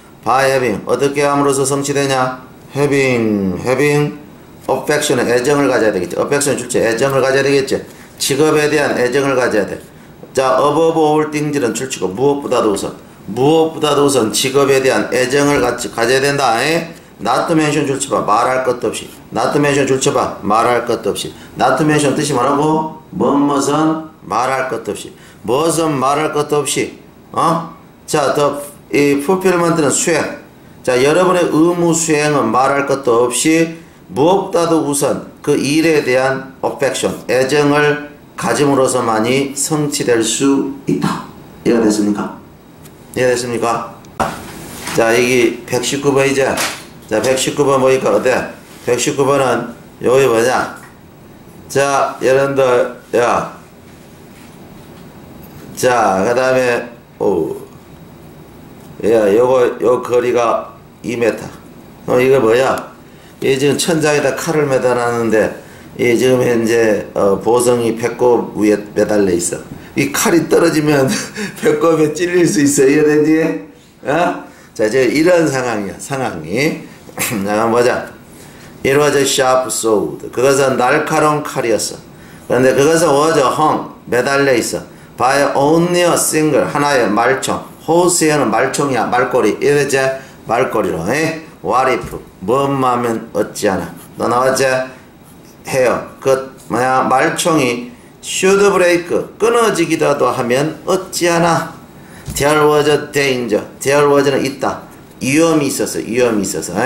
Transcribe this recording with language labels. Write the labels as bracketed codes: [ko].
[en] By having, [ko] 어떻게 함으로써 성취되냐? [en] Having, having affection, [ko] 애정을 가져야 되겠지. Affection 출제, 애정을 가져야 되겠지. 직업에 대한 애정을 가져야 돼. 자, [en] above all things [ko] 는 출제고, 무엇보다도 우선. 무엇보다도 우선 직업에 대한 애정을 가져야 된다. 에? [en] Not to mention 줄쳐봐. [ko] 말할 것도 없이. [en] Not to mention 줄쳐봐. [ko] 말할 것도 없이. [en] Not to mention 뜻이 뭐라고? [ko] 무엇은 말할 것도 없이. 무엇은 말할 것도 없이. 어? 자, 더, 이 fulfillment는 수행. 자, 여러분의 의무 수행은 말할 것도 없이 무엇보다도 우선 그 일에 대한 affection, 애정을 가짐으로서만이 성취될 수 있다. 이해가 됐습니까? 이해가 됐습니까? 자, 여기 119번이죠. 자, 119번 보니까 어때? 119번은 여기 뭐냐? 자, 여러분들, 야. 자, 그 다음에, 오. 야, 요거, 요 거리가 2m. 어, 이거 뭐야? 이 지금 천장에다 칼을 매달았는데, 이 지금 현재, 어, 보성이 배꼽 위에 매달려 있어. 이 칼이 떨어지면 배꼽에 찔릴 수 있어. 이해되지? 어? 자, 이제 이런 상황이야, 상황이. 잠깐 보자. [en] It was a sharp sword. [ko] 그것은 날카로운 칼이었어. 그런데 그것은 [en] was a hung, [ko] 매달려 있어. [en] By only a single, [ko] 하나의 말총. 호스에는 말총이야, 말꼬리. 이랬지? 말꼬리로. 에? [en] What if? [ko] 뭔만 하면 어찌하나. 너 나왔지? 해요. 그, 뭐야, 말총이 [en] should break, [ko] 끊어지기라도 하면 어찌하나. [en] There was a danger. There was는 있다. [ko] 위험이 있었어, 위험이 있었어.